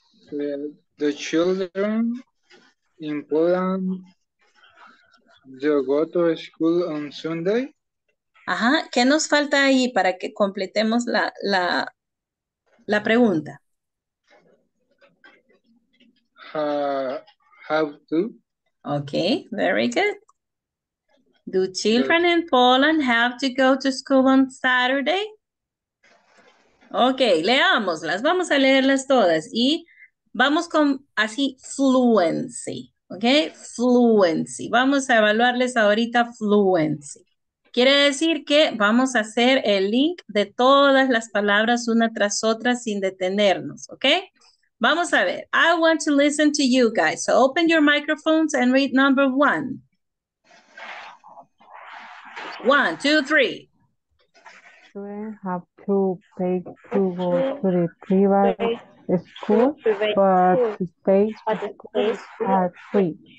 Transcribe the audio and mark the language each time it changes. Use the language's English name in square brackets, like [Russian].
[English] The children in Poland, they go to school on Sunday. [Spanish] Ajá, ¿qué nos falta ahí para que completemos la pregunta? [English] Have to. Okay, very good. Do children in Poland have to go to school on Saturday? [Spanish] Okay, leámoslas. Vamos a leerlas todas. Y vamos con así fluency. Okay, fluency. Vamos a evaluarles ahorita fluency. Quiere decir que vamos a hacer el link de todas las palabras una tras otra sin detenernos. [English] Okay. [Spanish] Vamos a ver. [English] I want to listen to you guys. So open your microphones and read number one. One, two, three. Children have to pay to go to the private school, but to stay at free.